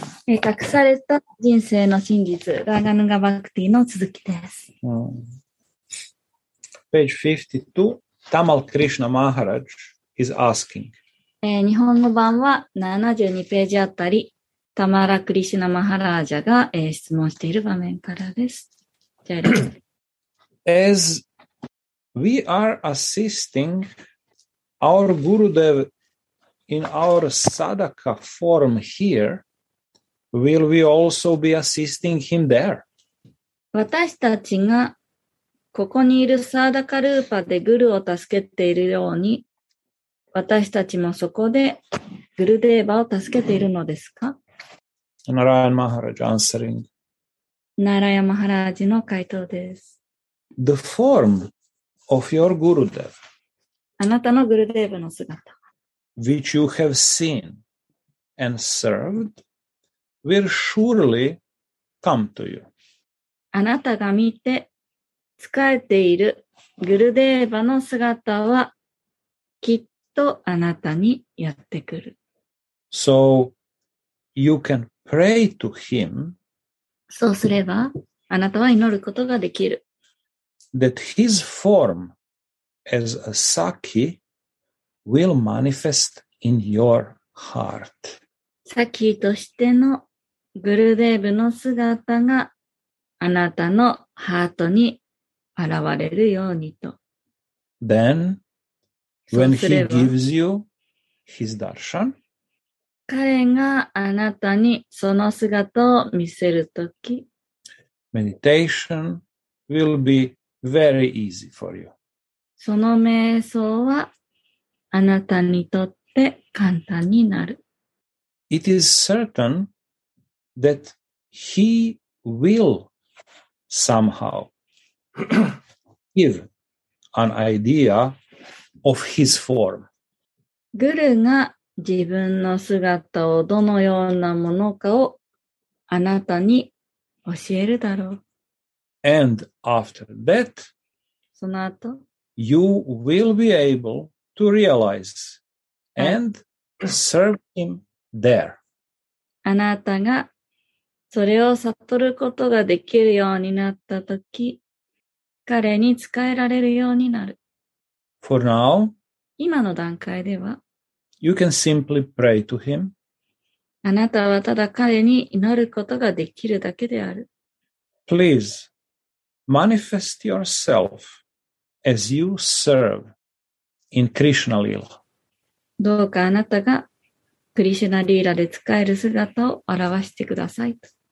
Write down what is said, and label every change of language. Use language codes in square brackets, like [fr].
[ja] 隠された人生の真実、ラガヌガバクティの続きです。 [en] Page 52, Tamal Krishna Maharaj is asking. [ja] 日本語版は72ページあたり、タマラ・クリシュナ・マハラージャが質問している場面からです。じゃあ、 [en] As we are assisting our Gurudev in our sadaka form here,Will we also be assisting him there? [ja] 私たちがここにいるサーダカルーパでグルを助けているように、私たちもそこでグルデーバを助けているのですか? [en] Narayan Maharaj answering. [ja] Narayan Maharaj の回答です。 [en] The form of your Gurudev. [ja] あなたのグルデーバの姿。 [en] Which you have seen and served. Will surely come to you. [ja] あなたが見て仕えているグルデーバの姿はきっとあなたにやってくる。 [en] So you can pray to him. [ja] そうすればあなたは祈ることができる。 [en] That his form as a Sakhi will manifest in your heart. [ja] サキとしてのグルデーブの姿があなたのハートに現れるようにと。 [en] Then, when he gives you his darshan, [ja] 彼があなたにその姿を見せるとき、 [en] meditation will be very easy for you. [ja] その瞑想はあなたにとって簡単になる。 [en] It is certain. That he will somehow give an idea of his form. [ja] グルが自分の姿をどのようなものかをあなたに教えるだろう。 [en] And after that, [ja] その後、 [en] you will be able to realize and serve him there. [ja] あなたがそれを悟ることができるようになったとき、彼に仕えられるようになる。 [en] For now, [ja] 今の段階では、 [en] you can simply pray to him. [ja] あなたはただ彼に祈ることができるだけである。 [en] Please, manifest yourself as you serve in Krishna Lila. [ja] どうかあなたが、クリシュナリーラで仕える姿を表してくださいと。